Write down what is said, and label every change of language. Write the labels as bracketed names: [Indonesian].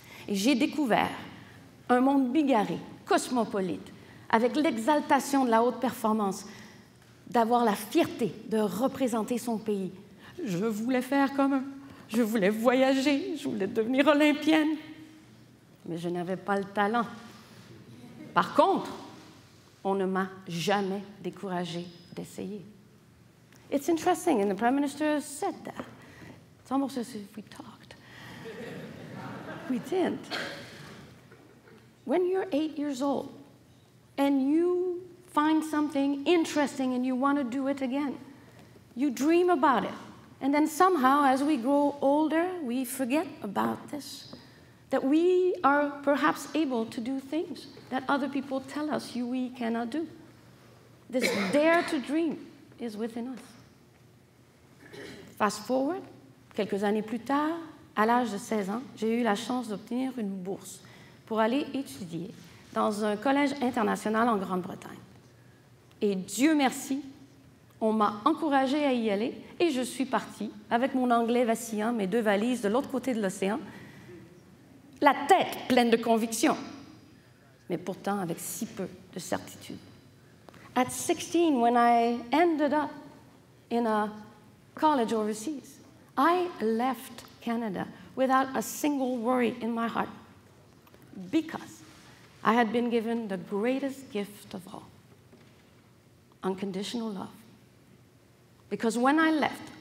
[French] Et j'ai découvert un monde bigarré, cosmopolite, avec l'exaltation de la haute performance, d'avoir la fierté de représenter son pays. Je voulais faire comme eux. Je voulais voyager. Je voulais devenir olympienne. Mais je n'avais pas le talent. Par contre, on ne m'a jamais découragée d'essayer. [English] It's interesting, and the Prime Minister said that. It's almost as if we talked. We didn't. When you're 8 years old, and you find something interesting and you want to do it again, you dream about it. And then somehow, as we grow older, we forget about this, that we are perhaps able to do things that other people tell us we cannot do. This dare to dream is within us. Fast forward, [French] quelques années plus tard, à l'âge de 16 ans, j'ai eu la chance d'obtenir une bourse pour aller étudier dans un collège international en Grande-Bretagne. Et Dieu merci, on m'a encouragée à y aller et je suis partie avec mon anglais vacillant, mes deux valises de l'autre côté de l'océan, la tête pleine de conviction, mais pourtant avec si peu de certitude. [English] At 16, when I ended up in a college overseas. I left Canada without a single worry in my heart because I had been given the greatest gift of all, unconditional love. Because when I left,